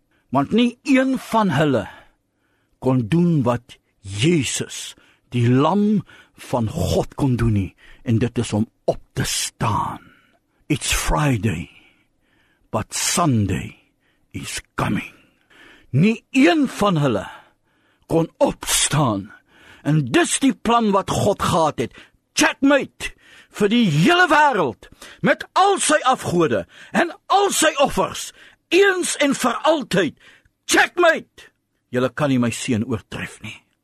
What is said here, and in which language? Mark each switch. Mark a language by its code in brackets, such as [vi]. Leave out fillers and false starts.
[af] Want nie een van hulle kon doen wat Jesus, die lam van God kon doen nie, en dit is om op te staan. [en] It's Friday, but Sunday is coming. [af] Nie een van hulle kon opstaan, en dis die plan wat God gehad het, checkmate, vir die hele wereld, met al sy afgode, en al sy offers, eens en vir altyd, checkmate, julle kan nie my seun oortref nie,